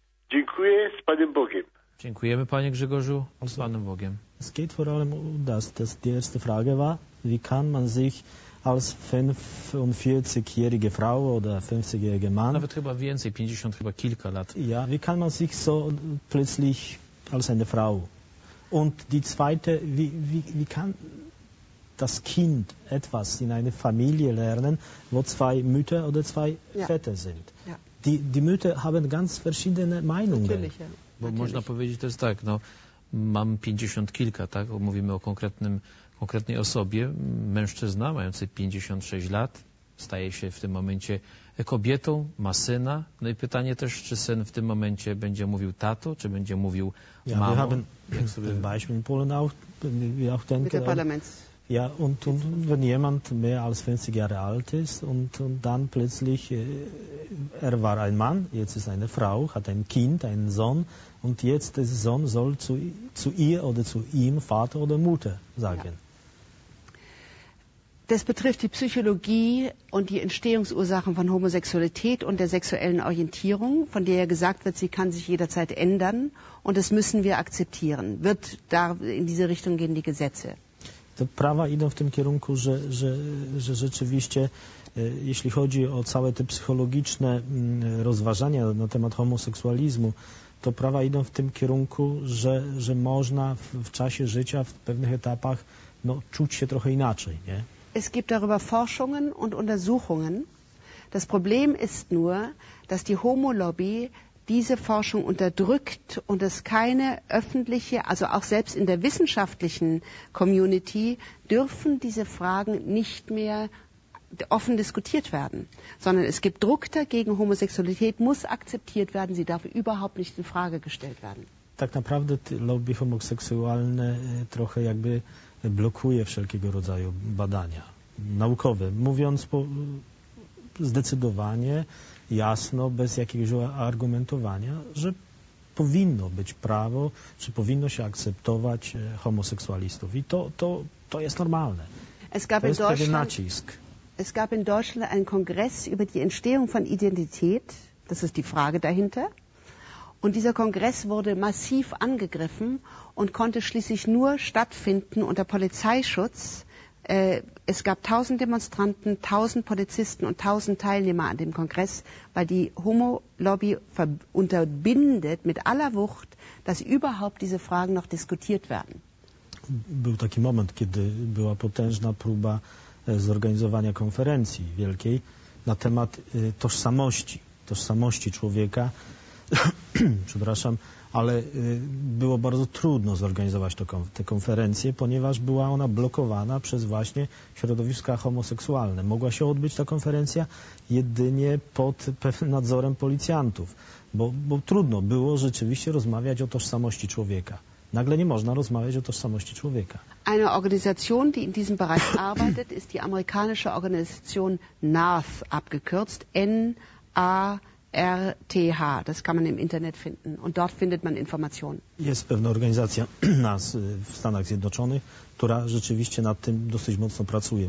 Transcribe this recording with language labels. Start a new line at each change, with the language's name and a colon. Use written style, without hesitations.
Polish: Dziękuję, z Panem Bogiem. Dziękujemy, panie Grzegorzu, z Panem Bogiem.
German: Es geht vor allem um das. Das die erste Frage war, wie kann man sich als 45-jährige Frau oder 50-jährige Mann...
Polish: Nawet chyba więcej, 50, chyba kilka lat.
German: Ja, wie kann man sich so plötzlich als eine Frau... Und die zweite, wie kann das Kind etwas in eine Familie lernen, wo zwei Mütter oder zwei Väter sind? Ja. Die Mütter haben ganz verschiedene Meinungen. Natürlich, ja.
Polish: Bo
German: natürlich.
Polish: Można powiedzieć, to jest tak, no, mam 50 kilka, tak? Mówimy o konkretnej osobie, mężczyzna mający 56 lat, staje się w tym momencie kobietą, ma syna. No i pytanie też, czy syn w tym momencie będzie mówił tato, czy będzie mówił mamo?
German: Ja, wir haben in Polen auch denke, Parlament. Ja, und wenn jemand mehr als 50 Jahre alt ist und dann plötzlich, er war ein Mann, jetzt ist eine Frau, hat ein Kind, einen Sohn und jetzt der Sohn soll zu ihr oder zu ihm Vater oder Mutter sagen. Ja. Das betrifft die Psychologie und die Entstehungsursachen von Homosexualität und der sexuellen Orientierung, von der ja gesagt wird, sie kann sich jederzeit ändern und das müssen wir akzeptieren. Wird da in diese Richtung gehen die Gesetze?
Polish: Te prawa idą w tym kierunku, że rzeczywiście, jeśli chodzi o całe te psychologiczne rozważania na temat homoseksualizmu, to prawa idą w tym kierunku, że można w czasie życia, w pewnych etapach, no, czuć się trochę inaczej, nie?
German: Es gibt darüber Forschungen und Untersuchungen. Das Problem ist nur, dass die Homo-Lobby diese Forschung unterdrückt und es keine öffentliche, also auch selbst in der wissenschaftlichen Community, dürfen diese Fragen nicht mehr offen diskutiert werden. Sondern es gibt Druck dagegen, Homosexualität muss akzeptiert werden, sie darf überhaupt nicht in Frage gestellt werden.
Polish: Tak naprawdę lobby homoseksualne trochę jakby blokuje wszelkiego rodzaju badania naukowe. Mówiąc zdecydowanie, jasno, bez jakiegoś argumentowania, że powinno być prawo, czy powinno się akceptować homoseksualistów. I to jest normalne.
German: Es gab
Polish: to jest
German: in Deutschland,
Polish: pewien nacisk.
German: Es gab in Deutschland einen Kongress über die Entstehung von Identität. Das ist die Frage dahinter. Und dieser Kongress wurde massiv angegriffen und konnte schließlich nur stattfinden unter Polizeischutz. Es gab 1000 Demonstranten, 1000 Polizisten und 1000 Teilnehmer an dem Kongress, weil die Homo-Lobby unterbindet mit aller Wucht, dass überhaupt diese Fragen noch diskutiert werden.
Polish: Był taki moment, kiedy była potężna próba zorganizowania konferencji wielkiej na temat tożsamości człowieka. przepraszam, ale było bardzo trudno zorganizować tę konferencję, ponieważ była ona blokowana przez właśnie środowiska homoseksualne. Mogła się odbyć ta konferencja jedynie pod pewnym nadzorem policjantów, bo trudno było rzeczywiście rozmawiać o tożsamości człowieka. Nagle nie można rozmawiać o tożsamości człowieka.
German: Eine Organisation, die in diesem Bereich arbeitet, ist die amerikanische Organisation NARTH, abgekürzt NARTH. Das kann man im Internet finden und dort findet man Informationen.
Polish: Jest pewna organizacja NARTH w Stanach Zjednoczonych, która rzeczywiście nad tym dosyć mocno pracuje.